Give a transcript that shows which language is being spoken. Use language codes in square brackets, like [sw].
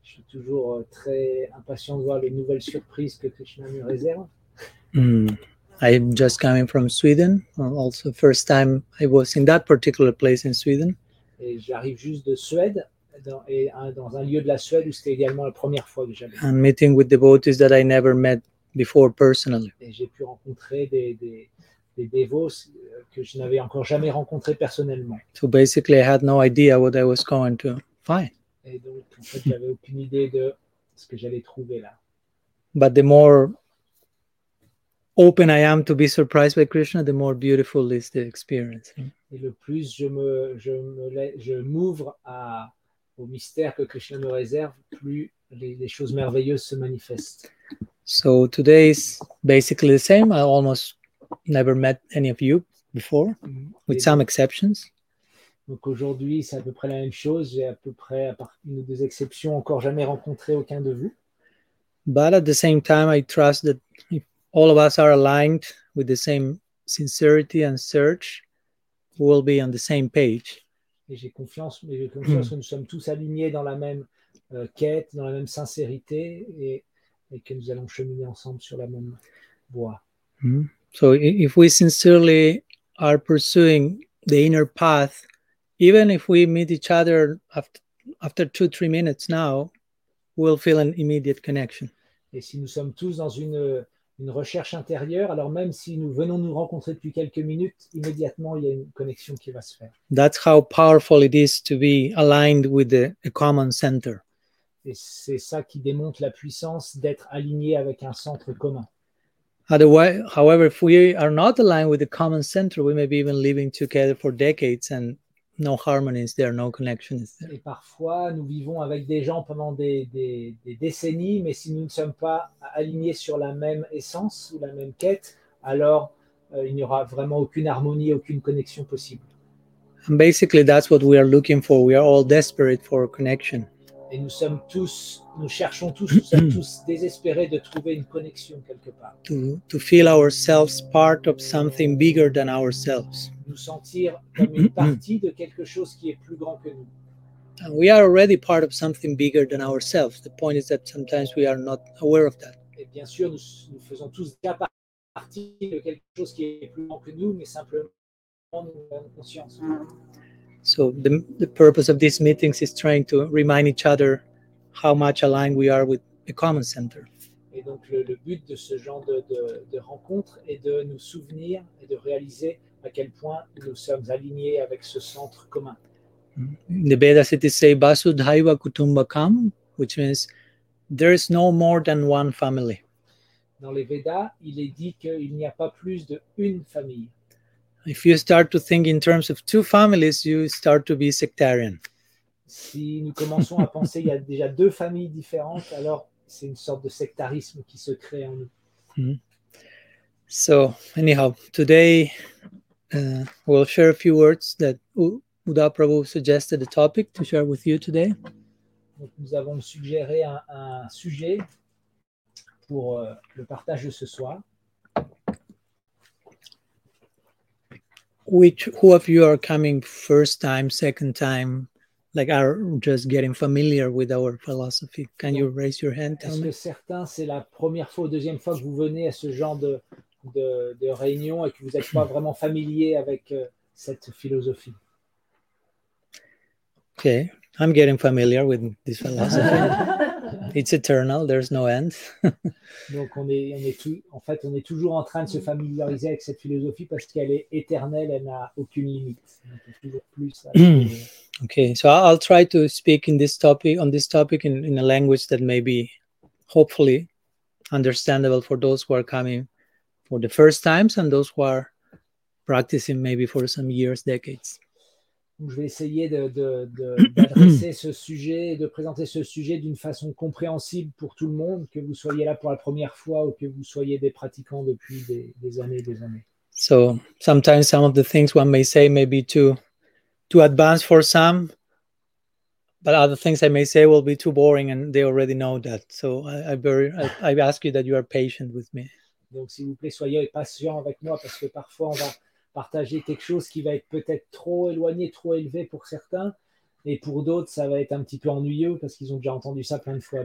[fr] toujours très impatient de voir les nouvelles surprises que Krishna nous réserve. [en] I'm just coming from Sweden. Also, first time I was in that particular place in Sweden. [fr] Et j'arrive juste de Suède, dans un lieu de la Suède où c'était également la première fois que j'allais. [en] And meeting with devotees that I never met before personally. [fr] Et j'ai pu rencontrer des dévots que je n'avais encore jamais rencontrés personnellement. [en] So basically, I had no idea what I was going to find. [fr] Et donc, en fait, j'avais aucune idée de ce que j'allais trouver là. [en] But the more open I am to be surprised by Krishna, the more beautiful is the experience. [fr] Et le plus je m'ouvre au mystère que Krishna me réserve, plus les choses merveilleuses se manifestent. [en] So today is basically the same. I almost never met any of you before, with some exceptions. [fr] Donc aujourd'hui, c'est à peu près la même chose. J'ai à peu près, à part une ou deux exceptions, encore jamais rencontré aucun de vous. [en] But at the same time, I trust that if all of us are aligned with the same sincerity and search, we'll be on the same page. [fr] Et j'ai confiance que nous sommes tous alignés dans la même quête, dans la même sincérité, et que nous allons cheminer ensemble sur la même voie. [en] So if we sincerely are pursuing the inner path, even if we meet each other after 2-3 minutes now, we'll feel an immediate connection. [fr] Et si nous sommes tous dans une recherche intérieure, alors même si nous venons nous rencontrer depuis quelques minutes, immédiatement il y a une connexion qui va se faire. [en] That's how powerful it is to be aligned with a common center. [fr] Et c'est ça qui démontre la puissance d'être aligné avec un centre commun. [en] Otherwise, however, if we are not aligned with the common center, we may be even living together for decades and no harmony is there, no connection is there. [fr] Et parfois, nous vivons avec des gens pendant des décennies, mais si nous ne sommes pas alignés sur la même essence ou la même quête, alors il n'y aura vraiment aucune harmonie, aucune connexion possible. [en] And basically, that's what we are looking for. We are all desperate for a connection. [fr] Et nous sommes tous, nous cherchons tous, nous sommes tous désespérés de trouver une connexion quelque part. [en] To feel ourselves part of something bigger than ourselves. [fr] Nous sentir comme une partie de quelque chose qui est plus grand que nous. [en] And we are already part of something bigger than ourselves. The point is that sometimes we are not aware of that. [fr] Et bien sûr, nous faisons tous déjà partie de quelque chose qui est plus grand que nous, mais simplement nous avons conscience. [en] So the purpose of these meetings is trying to remind each other how much aligned we are with the common center. [fr] Et donc le but de ce genre de rencontre est de nous souvenir et de réaliser à quel point nous sommes alignés avec ce centre commun. [en] In the Vedas it is say [sa] Vasudhaiva Kutumbakam, [en] which means there is no more than one family. [fr] Dans les Vedas, il est dit qu'il n'y a pas plus de une famille. [en] If you start to think in terms of two families, you start to be sectarian. [fr] Si nous commençons à penser qu'il y a déjà deux familles différentes, alors c'est une sorte de sectarisme qui se crée en nous. Mm-hmm. [en] So, anyhow, today we'll share a few words that Uddha Prabhu suggested a topic to share with you today. [fr] Donc, nous avons suggéré un sujet pour le partage de ce soir. [en] Who of you are coming first time, second time, like are just getting familiar with our philosophy? Can you raise your hand? [fr] Est-ce que certains, c'est la première fois ou deuxième fois que vous venez à ce genre de réunion et que vous n'êtes pas vraiment familier avec cette philosophie? [en] Okay, I'm getting familiar with this philosophy. It's eternal, there's no end. [fr] Donc on est toujours en train de se familiariser avec cette philosophie parce qu'elle est éternelle, elle n'a aucune limite. [en] Okay, so I'll try to speak on this topic in a language that may be hopefully understandable for those who are coming for the first times and those who are practicing maybe for some years, decades. [fr] Je vais essayer d'adresser ce sujet et de présenter ce sujet d'une façon compréhensible pour tout le monde, que vous soyez là pour la première fois ou que vous soyez des pratiquants depuis des années et des années. [en] So, sometimes some of the things one may say may be too advanced for some, but other things I may say will be too boring and they already know that. So, I ask you that you are patient with me. [fr] Donc, s'il vous plaît, soyez patient avec moi parce que parfois on va partager quelque chose qui va être peut-être trop éloigné, trop élevé pour certains, et pour d'autres, ça va être un petit peu ennuyeux parce qu'ils ont déjà entendu ça plein de fois.